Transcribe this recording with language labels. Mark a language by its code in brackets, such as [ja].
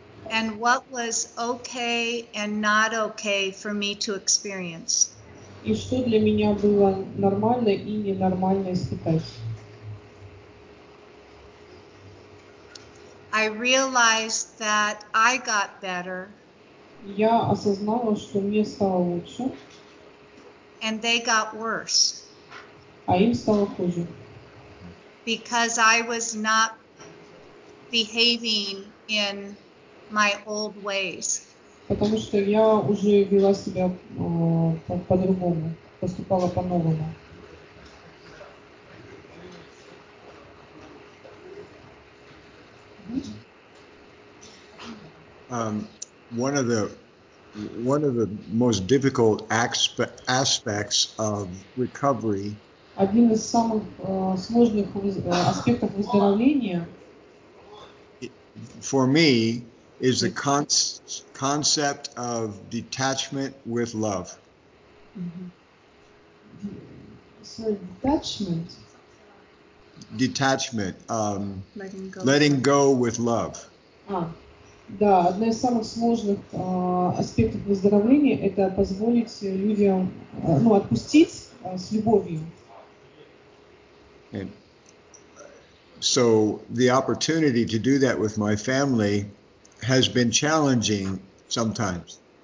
[en] And what was okay and not okay for me to experience. [ru] И что для меня было нормально и ненормально испытать. [en] I realized that I got better. [ru] Я осознала, что мне стало лучше. [en] And they got worse. [ru] А им стало хуже. [en] Because I was not behaving in my old ways. [ru] Потому что я уже вела себя по-другому, поступала по-новому. [en] One of the most difficult aspects of recovery. [ru] Один из самых сложных аспектов выздоровления. [en] For me, is the concept of detachment with love. Detachment. Detachment. Letting go with love. [ru] Да, одна из самых сложных аспектов выздоровления — это позволить людям отпустить с любовью. [en] And so the opportunity to do that with my family has been challenging sometimes.